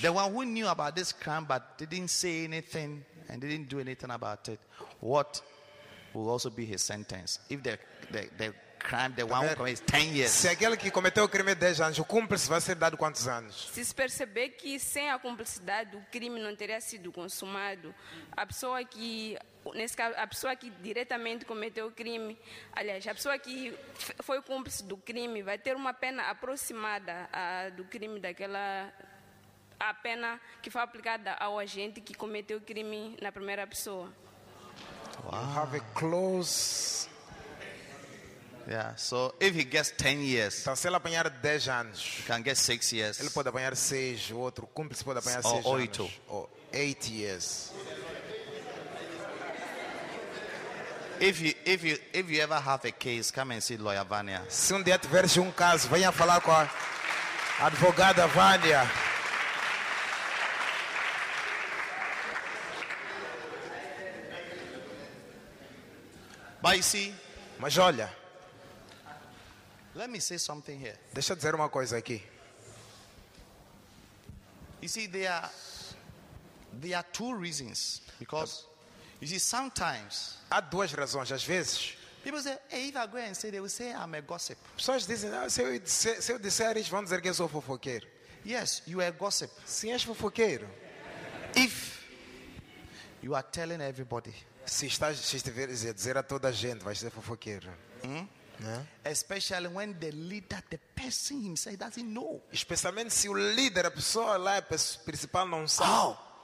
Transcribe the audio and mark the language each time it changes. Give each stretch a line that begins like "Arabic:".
English: the one who knew about this crime but didn't say anything and didn't do anything about it, what will also be his sentence? If the crime, the one who commits 10 years.
Portuguese: Se aquele que cometeu o crime é 10 anos, o cúmplice vai ser dado quantos anos? Se se perceber que sem a cumplicidade o crime não teria sido consumado, a pessoa que, nesse caso, a pessoa que diretamente cometeu o crime, aliás, a pessoa que foi cúmplice do crime vai ter uma pena aproximada do crime daquela, a pena que foi aplicada ao agente que cometeu o crime na primeira pessoa.
English: Wow. You have a close. Yeah, so if he gets 10 years,
Portuguese: então, se ele apanhar 10 anos,
English: he can get 6 years.
Portuguese: Ele pode apanhar 6, o outro cúmplice pode apanhar 6 anos. Ou 8. Ou
English: 8 years. If you ever have a case, come and see lawyer Vania.
Portuguese: Se um dia tiveres um caso, venha falar com a advogada Vania.
English: But you see,
Portuguese: mas olha,
English: let me say something here.
Portuguese: Deixa eu dizer uma coisa aqui.
English: You see, there are two reasons, because you see, sometimes
Portuguese: há duas razões. Às vezes,
English: people say, hey, if I go and say, they will say I'm a gossip.
Portuguese: Pessoas dizem, ah, se eu disser isso, vão dizer que eu sou fofoqueiro.
English: Yes, you are a gossip.
Portuguese: Sim, és fofoqueiro.
English: If you are telling everybody,
Portuguese: se estiveres a dizer a toda a gente, vais ser fofoqueiro.
English: Yeah. Especially when the leader, the person himself, doesn't know.
Portuguese: Especialmente se o líder, a pessoa lá, a principal, não sabe.